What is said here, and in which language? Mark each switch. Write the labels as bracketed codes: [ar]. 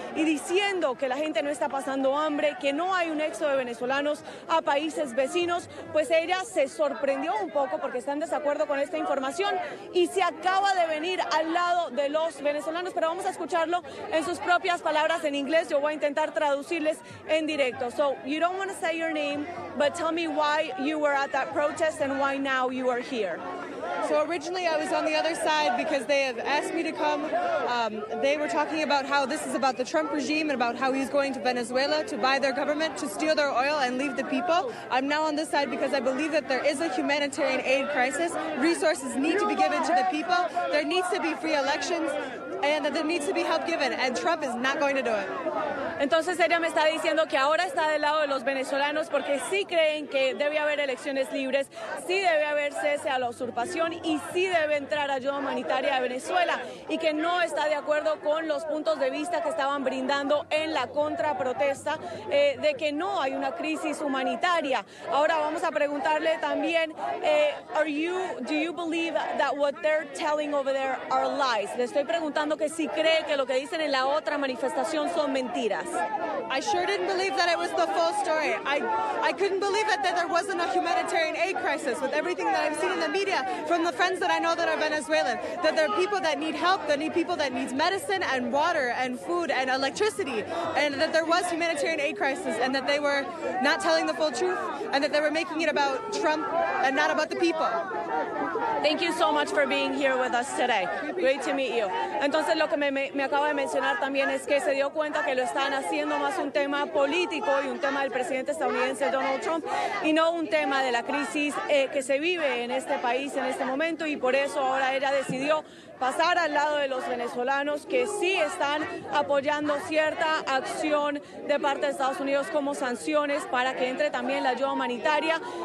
[es] y diciendo que la gente no está pasando hambre, que no hay un éxodo de venezolanos a países vecinos, pues ella se sorprendió un poco porque está en desacuerdo con esta información y se acaba de venir al lado de los venezolanos, pero vamos a escucharlo en sus propias palabras en inglés. Yo voy a intentar traducirles en directo. [en] So, you don't want to say your name, but tell me why you were at that protest and why now you are here. So originally I was on the other side because they have asked me to come. They were talking about how this is about the Trump regime and about how he's going to Venezuela to buy their government, to steal their oil and leave the people. I'm now on this side because I believe that there is a humanitarian aid crisis. Resources need to be given to the people. There needs to be free elections and that there needs to be help given, and Trump is not going to do it. [es] Entonces ella me está diciendo que ahora está del lado de los venezolanos porque sí creen que debe haber elecciones libres, sí debe haber cese a la usurpación y sí debe entrar ayuda humanitaria a Venezuela, y que no está de acuerdo con los puntos de vista que estaban brindando en la contraprotesta de que no hay una crisis humanitaria. Ahora vamos a preguntarle también, [en] do you believe that what they're telling over there are lies? [es] Le estoy preguntando que si cree que lo que dicen en la otra manifestación son mentiras. [en] I sure didn't believe that it was the full story. I couldn't believe it that there wasn't a humanitarian aid crisis with everything that I've seen in the media from the friends that I know that are Venezuelan, that there are people that need help, that need people that need medicine and water and food and electricity, and that there was humanitarian aid crisis and that they were not telling the full truth and that they were making it about Trump and not about the people. Thank you so much for being here with us today. Great to meet you. [es] Entonces lo que me acaba de mencionar también es que se dio cuenta que lo están haciendo más un tema político y un tema del presidente estadounidense Donald Trump y no un tema de la crisis que se vive en este país en este momento, y por eso ahora ella decidió pasar al lado de los venezolanos que sí están apoyando cierta acción de parte de Estados Unidos como sanciones para que entre también la ayuda humanitaria.